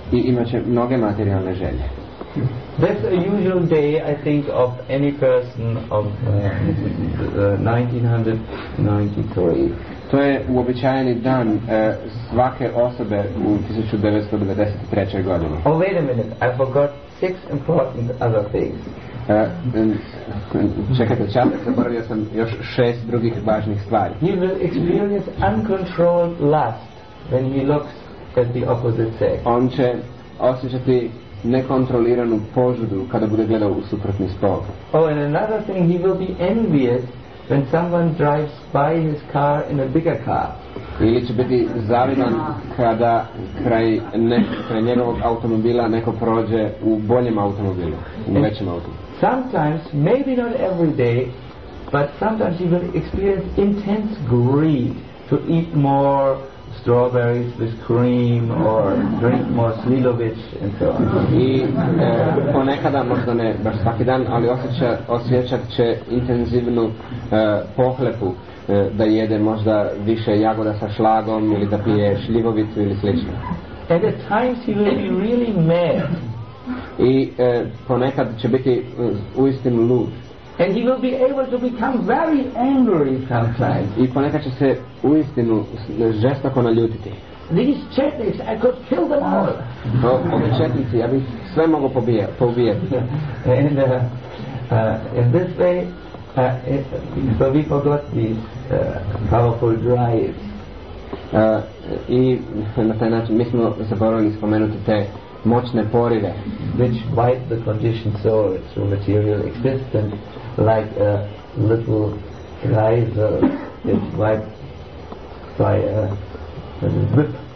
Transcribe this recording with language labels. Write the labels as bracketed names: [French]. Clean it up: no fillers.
[Bosnian] I imaće mnoge materijalne želje. [English] That's a usual day, I think, of any person of 1993. [Bosnian] To je uobičajeni dan svake osobe u 1993. godini. [English] Oh, wait a minute, I forgot six important other things. [Bosnian] Čekajte, čas, zaboravio sam još šest drugih važnih stvari. [English] He will experience uncontrolled lust when he looks at the opposite sex. [Bosnian] On će osjećati nekontroliranu požudu kada bude gledao u suprotni spol. [English] Oh, and another thing, he will be envious when someone drives by his car in a bigger car. [Bosnian] Ili će biti zavidan kada kraj njegovog automobila neko prođe u boljem automobilu, u većem automobilu. [English] Sometimes, maybe not every day, but sometimes he will experience intense greed to eat more strawberries with cream or drink more Slivovic and so on. [Bosnian] I ponekada, možda ne baš svaki dan, ali osjećat će intenzivnu pohlepu da jede možda više jagoda sa šlagom ili da pije šljivovicu ili slično. [English] At times he will be really mad. [Bosnian] I ponekad će biti uistinu lud. [English] And he will be able to become very angry sometimes. [Bosnian] I ponekad će se uistinu žestoko naljutiti. [English] These Chetniks, I could kill them all. [Bosnian] Ovi Chetnici, ja bih sve mogao poubijati. [English] And in this way, so we forgot these powerful drives. [Bosnian] I na taj način mi smo zaboravili spomenuti te moćne porive, [English] which bite the conditioned soul through material existence like a little geyser is wiped by a whip.